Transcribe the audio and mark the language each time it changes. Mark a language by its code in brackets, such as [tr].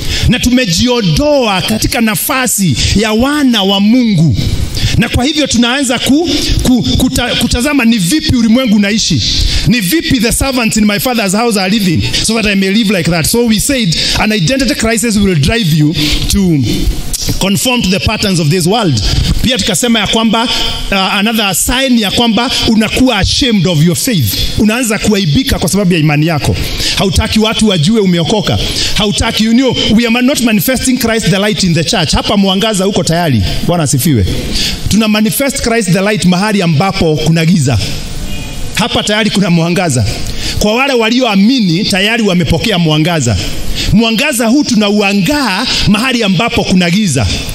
[sw] Na tumejiodoa katika nafasi ya wana wa Mungu. Na kwa hivyo tunaanza kutazama ni vipi ulimwengu unaishi. Ni vipi [en] the servants in my father's house are living so that I may live like that. So we said an identity crisis will drive you to conform to the patterns of this world. [sw] Pia tukasema ya kwamba [en] another sign [sw] ya kwamba unakuwa [en] ashamed of your faith. [sw] Unaanza kuaibika kwa sababu ya imani yako. Hautaki watu wajue umeokoka. Hautaki, [en] you know, we are not manifesting Christ the light in the church. [sw] Hapa muangaza huko tayari. Bwana asifiwe. Tuna [en] manifest Christ the light [sw] mahali ambapo kuna giza. Hapa tayari kuna muangaza. Kwa wale walioamini tayari wamepokea muangaza. Muangaza huu tunauangaa mahali ambapo kuna giza.